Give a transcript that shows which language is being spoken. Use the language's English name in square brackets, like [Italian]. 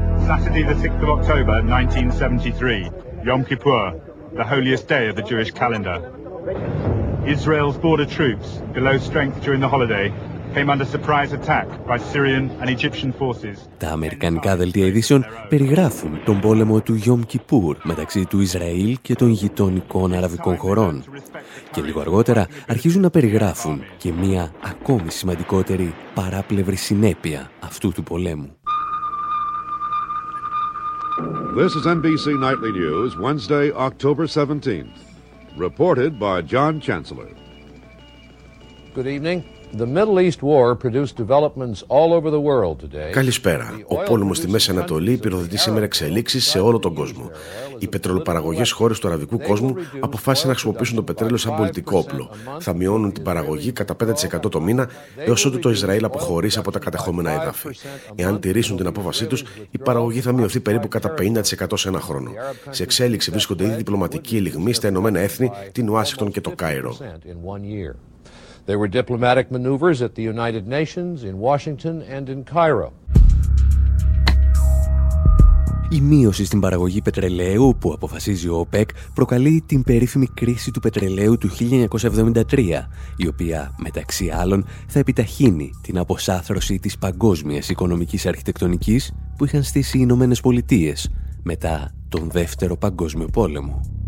[English] Saturday the 6th of October 1973, Yom Kippur, the holiest day of the Jewish calendar. Israel's border troops, below strength during the holiday, came under surprise attack by Syrian and Egyptian forces. [Greek] Τα αμερικανικά δελτία ειδήσεων περιγράφουν τον πόλεμο του Γιόμ Κιπούρ μεταξύ του Ισραήλ και των γειτονικών αραβικών χωρών. Και λίγο αργότερα αρχίζουν να περιγράφουν και μία ακόμη σημαντικότερη παράπλευρη συνέπεια αυτού του πολέμου. [English] This is NBC Nightly News, Wednesday, October 17th. Reported by John Chancellor. Good evening. The Middle East war produced developments all over the world today. [Greek] Καλησπέρα. Ο πόλεμος στη Μέση Ανατολή πυροδοτεί σήμερα εξελίξεις σε όλο τον κόσμο. Οι πετρελοπαραγωγές χώρες του αραβικού κόσμου αποφάσισαν να χρησιμοποιήσουν το πετρέλαιο σαν πολιτικό όπλο. Θα μειώνουν την παραγωγή κατά 5% το μήνα, έως ότου το Ισραήλ αποχωρήσει από τα κατεχόμενα έδαφη. Εάν τηρήσουν την απόφασή τους, η παραγωγή θα μειωθεί περίπου κατά 50% σε ένα χρόνο. Σε εξέλιξη βρίσκονται ήδη διπλωματικοί ελιγμοί στα Ηνωμένα Έθνη, την Ουάσιγκτον και το Κάιρο. [English] There were diplomatic maneuvers at the United Nations, in Washington and in Cairo. [Greek] Η μείωση στην παραγωγή πετρελαίου που αποφασίζει ο ΟΠΕΚ προκαλεί την περίφημη κρίση του πετρελαίου του 1973, η οποία, μεταξύ άλλων, θα επιταχύνει την αποσάθρωση της παγκόσμιας οικονομικής αρχιτεκτονικής που είχαν στήσει οι Ηνωμένες Πολιτείες μετά τον Δεύτερο Παγκόσμιο Πόλεμο.